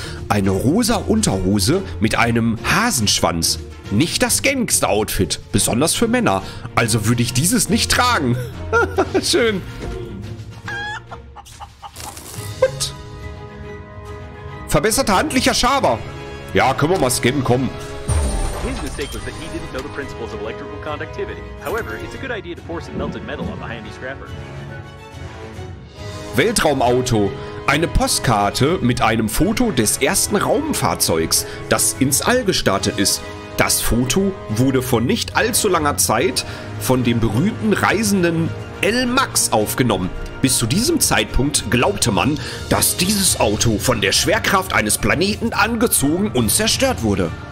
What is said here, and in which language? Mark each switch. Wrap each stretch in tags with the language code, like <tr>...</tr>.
<de>Eine rosa Unterhose mit einem Hasenschwanz. Nicht das Gangster-Outfit. Besonders für Männer. Also würde ich dieses nicht tragen. Schön. What? Verbesserter handlicher Schaber. Ja, können wir mal scannen, komm.</de> <en>His mistake was that he didn't know the principles of electrical conductivity. However, it's a good idea to force a melted metal on the handy scrapper.</en> <de>Weltraumauto. Eine Postkarte mit einem Foto des ersten Raumfahrzeugs, das ins All gestartet ist. Das Foto wurde vor nicht allzu langer Zeit von dem berühmten Reisenden L-Max aufgenommen. Bis zu diesem Zeitpunkt glaubte man, dass dieses Auto von der Schwerkraft eines Planeten angezogen und zerstört wurde.</de>